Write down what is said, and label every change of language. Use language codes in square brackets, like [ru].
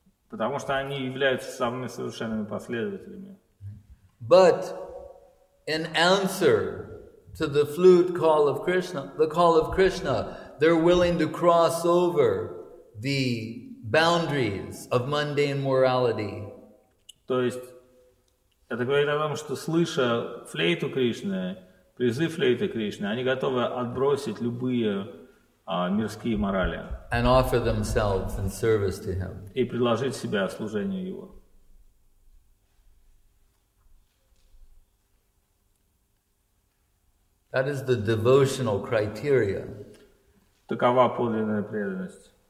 [ru] Потому что они являются самыми совершенными последователями. [en] But in answer to the flute call of Krishna, the call of Krishna, they're willing to cross over the boundaries of mundane morality. [ru] То есть это говорит о том, что слыша флейту Кришны, призыв флейты Кришны, они готовы отбросить любые мирские морали. [en] And offer themselves in service to him. [ru] И предложить себя служению Его. [en] That is the devotional criteria. [ru] Такова подлинная преданность.